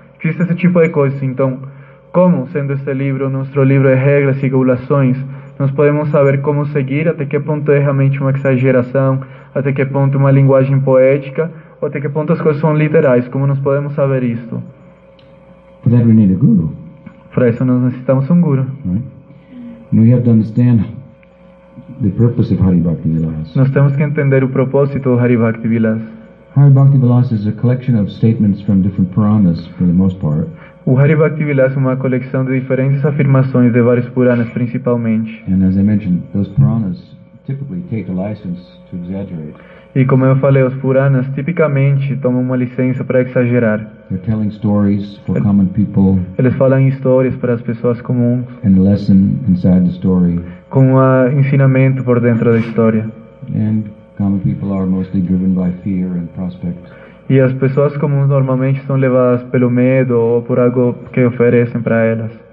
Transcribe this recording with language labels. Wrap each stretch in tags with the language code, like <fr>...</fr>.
<pt>Existe esse tipo de coisa. Então, como, sendo este livro nosso livro de regras e regulações, nós podemos saber como seguir, até que ponto é realmente uma exageração, até que ponto uma linguagem poética, ou até que ponto as coisas são literais, como nós podemos saber isto?</pt> <en>For that we need a guru.</en> <pt>Para isso nós necessitamos um guru.</pt> <en>Right. We have to understand the purpose of Hari Bhakti Vilas.</en> <pt>Nós temos que entender o propósito do Hari Bhakti Vilas.</pt> <en>Hari Bhakti Vilas is a collection of statements from different Puranas, for the most part.</en> <pt>O Hari Bhakti Vilas é uma coleção de diferentes afirmações de vários Puranas, principalmente.</pt> <en>And as I mentioned, those Puranas typically take a license to exaggerate.</en> <pt>E como eu falei, os Puranas tipicamente tomam uma licença para exagerar.</pt> <en>They're telling stories for common people.</en> <pt>Eles falam histórias para as pessoas comuns.</pt> <en>And a lesson inside the story.</en> <pt>Com um ensinamento por dentro da história.</pt> <en>And common people are mostly driven by fear and prospect.</en> <pt>E as pessoas comuns normalmente são levadas pelo medo ou por algo que oferecem para elas.</pt>